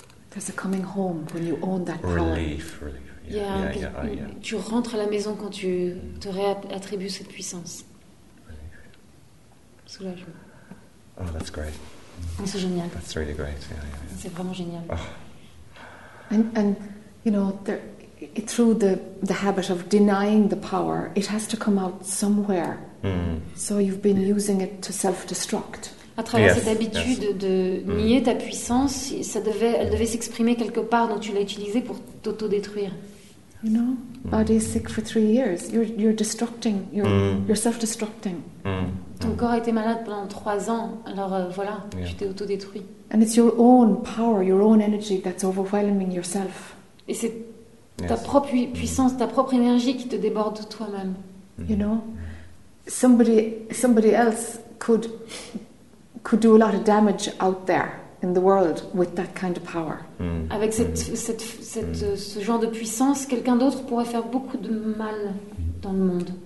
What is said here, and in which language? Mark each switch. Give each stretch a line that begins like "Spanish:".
English: The coming home when you own that power. Relief. Yeah.
French: Tu rentres à la maison quand tu te réattribues cette puissance.
English: Relief.
French: Soulagement.
English: Oh, that's great.
French: Mm. C'est génial.
English: That's really great. Yeah.
French: C'est vraiment génial. Oh.
English: And you know, through the habit of denying the power, it has to come out somewhere. Mm. So you've been using it to self-destruct.
French: À travers cette habitude de nier ta puissance, elle devait s'exprimer quelque part, donc tu l'as utilisée pour t'auto-détruire.
English: You know, body is sick for 3 years. You're destructing. You're self-destructing.
French: Ton corps a été malade pendant 3 ans. Alors voilà, tu t'es auto-détruit.
English: And it's your own power, your own energy that's overwhelming yourself.
French: Et c'est ta propre puissance, ta propre énergie qui te déborde de toi-même.
English: You know, somebody else could do a lot of damage out there in the world with that kind of power. Mm.
French: Avec ce genre de puissance, quelqu'un d'autre pourrait faire beaucoup de mal dans le monde.